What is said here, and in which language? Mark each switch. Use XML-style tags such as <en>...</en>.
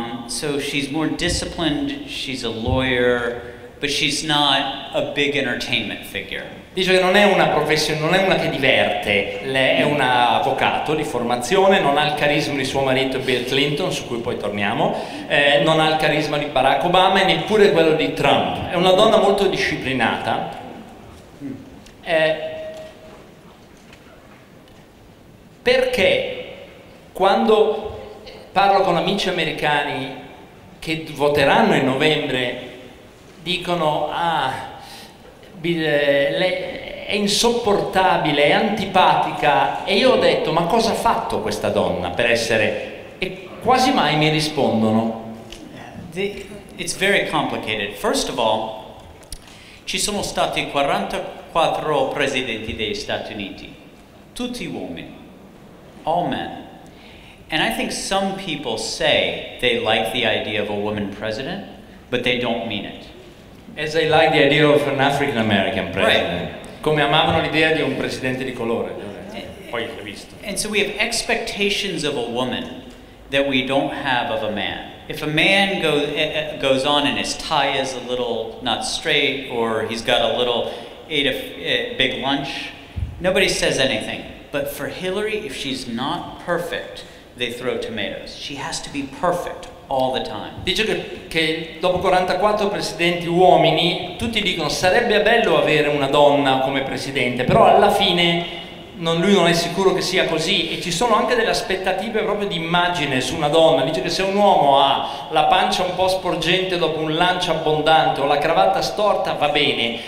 <en>So she's more disciplined, she's a lawyer, but she's not a big entertainment figure.</en> <it>Dice che non è una professione, non è una che diverte. Lei è un avvocato di formazione, non ha il carisma di suo marito Bill Clinton, su cui poi torniamo, non ha il carisma di Barack Obama e neppure quello di Trump. È una donna molto disciplinata. Perché quando parlo con amici americani che voteranno in novembre dicono è insopportabile, è antipatica e io ho detto ma cosa ha fatto questa donna per essere... e quasi mai mi rispondono.</it> <en>It's very complicated.</en> <it>First of all, ci sono stati 44 presidenti degli Stati Uniti, tutti uomini.</it> <en>All men. And I think some people say they like the idea of a woman president, but they don't mean it. As they like the idea of an African American president. Right.</en> <it>Come amavano l'idea di un presidente di colore. Poi l'ho visto.</it> <en>And so we have expectations of a woman that we don't have of a man. If a man goes on and his tie is a little not straight, or he's got a little, ate a big lunch, nobody says anything. But for Hillary, if she's not perfect, they throw tomatoes. She has to be perfect all the time.</en> <it>Dice che dopo 44 presidenti uomini, tutti dicono sarebbe bello avere una donna come presidente, però alla fine lui non è sicuro che sia così e ci sono anche delle aspettative proprio di immagine su una donna. Dice che se un uomo ha la pancia un po' sporgente dopo un lancio abbondante o la cravatta storta, va bene.</it>